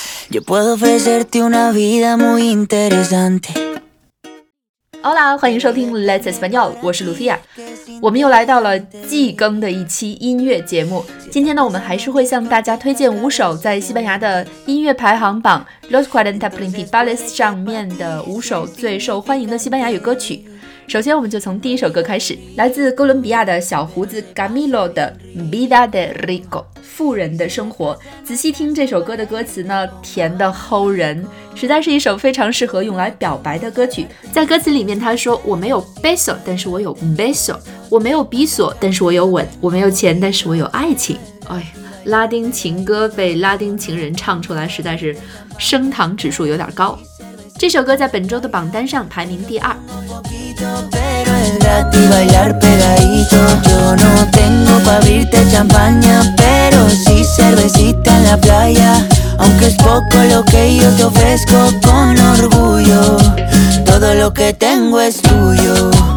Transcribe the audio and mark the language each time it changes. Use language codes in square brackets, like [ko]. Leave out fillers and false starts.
[es] Yo puedo ofrecerte una vida muy interesante. [zh] Hola, 欢迎收听 Let's Español, 我是 Lucia。我们又来到了季更的一期音乐节目。今天呢，我们还是会向大家推荐五首在西班牙的音乐排行榜 Los 40 Principales 上面的五首最受欢迎的西班牙语歌曲。首先我们就从第一首歌开始，来自哥伦比亚的小胡子 Camilo 的 Vida de Rico， 富人的生活。仔细听这首歌的歌词呢，甜得齁人，实在是一首非常适合用来表白的歌曲。在歌词里面他说，我没有 peso 但是我有 beso， 我没有比索但是我有吻，我没有钱但是我有爱情。哎，拉丁情歌被拉丁情人唱出来，实在是升糖指数有点高。这首歌在本周的榜单上排名第二。 [es] Pero es gratis bailar pegadito. Yo no tengo pa' abrirte champaña, pero sí cervecita en la playa. Aunque es poco lo que yo te ofrezco con orgullo, todo lo que tengo es tuyo.